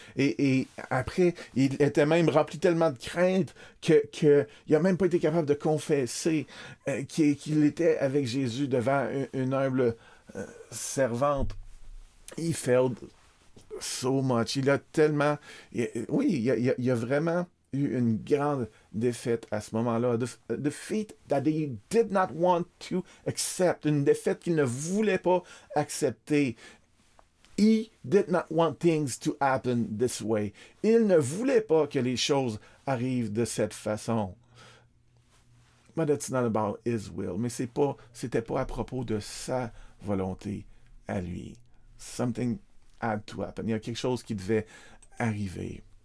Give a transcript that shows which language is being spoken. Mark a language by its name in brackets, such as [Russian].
[French] Et après, il était même rempli tellement de crainte que il a même pas été capable de confesser qu'il était avec Jésus devant une humble servante. [English] He failed so much. [French] Il a tellement... Il a vraiment eu une grande défaite à ce moment-là. [English] A defeat that he did not want to accept. [French] Une défaite qu'il ne voulait pas accepter. [English] He did not want things to happen this way. [French] Il ne voulait pas que les choses arrivent de cette façon. [English] But it's not about his will. [French] Mais c'était pas à propos de sa volonté à lui. Something à toi. Il y a quelque chose qui devait arriver.